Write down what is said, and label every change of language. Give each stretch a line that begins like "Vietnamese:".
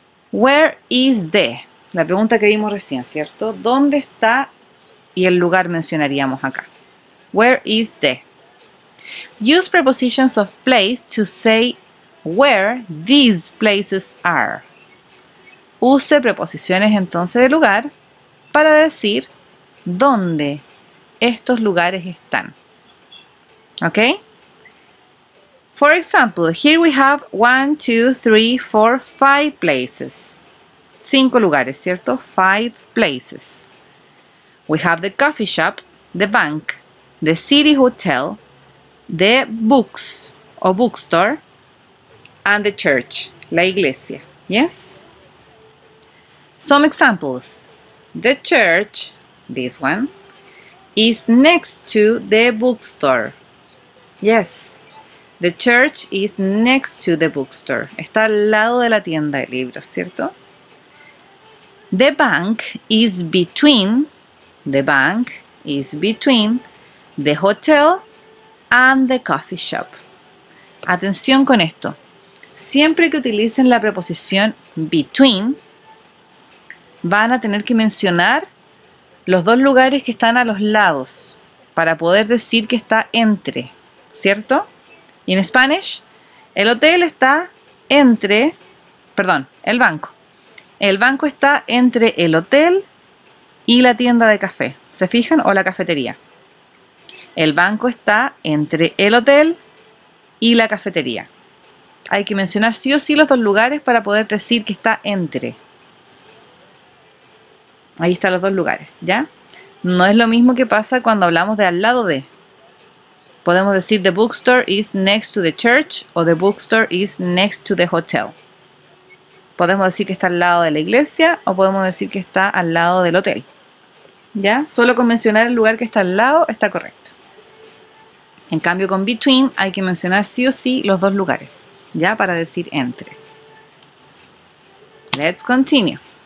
English: Where is the?
Spanish: La pregunta que vimos recién, ¿cierto? ¿Dónde está? Y el lugar mencionaríamos acá.
English: Where is the? Use prepositions of place to say where these places are.
Spanish: Use preposiciones entonces de lugar para decir dónde estos lugares están.
English: Okay? For example, here we have 1, 2, 3, 4, 5 places.
Spanish: Cinco lugares, ¿cierto?
English: 5 places. We have the coffee shop, the bank, the city hotel, the books or bookstore, and the church, la iglesia. Yes? Some examples. The church, this one, is next to the bookstore. Yes, the church is next to the bookstore.
Spanish: Está al lado de la tienda de libros, ¿cierto?
English: The bank is between, the bank is between the hotel and the coffee shop.
Spanish: Atención con esto. Siempre que utilicen la preposición between, van a tener que mencionar los dos lugares que están a los lados para poder decir que está entre, ¿cierto? Y en Spanish, el hotel está entre, perdón, el banco. El banco está entre el hotel y la tienda de café. ¿Se fijan? O la cafetería. El banco está entre el hotel y la cafetería. Hay que mencionar sí o sí los dos lugares para poder decir que está entre. Ahí están los dos lugares, ¿ya? No es lo mismo que pasa cuando hablamos de al lado de. Podemos decir
English: the bookstore is next to the church o the bookstore is next to the hotel.
Spanish: Podemos decir que está al lado de la iglesia o podemos decir que está al lado del hotel. ¿Ya? Solo con mencionar el lugar que está al lado está correcto. En cambio con between hay que mencionar sí o sí los dos lugares, ¿ya? Para decir entre.
English: Let's continue.